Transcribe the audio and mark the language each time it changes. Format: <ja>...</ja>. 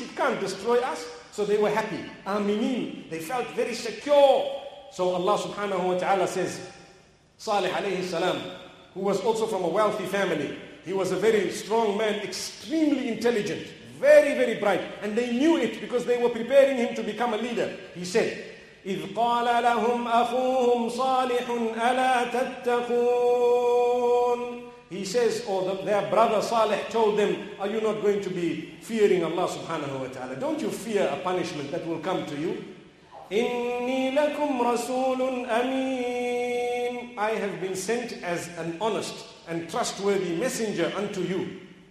<en>It can't destroy us. So they were happy. Aminin. They felt very secure. So Allah subhanahu wa ta'ala says, Salih alayhi salam, who was also from a wealthy family, he was a very strong man, extremely intelligent, very, very bright. And they knew it because they were preparing him to become a leader. He said,</en> <ar>إِذْ قَالَ لَهُمْ أَخُوهُمْ صَالِحٌ أَلَا تَتَّقُونَ.</ar> <en>He says, their brother Salih told them, are you not going to be fearing Allah subhanahu wa ta'ala? Don't you fear a punishment that will come to you?</en> <ar>إِنِّي لَكُمْ رَسُولٌ أَمِينٌ.</ar> <en>I have been sent as an honest and trustworthy messenger unto you.</en>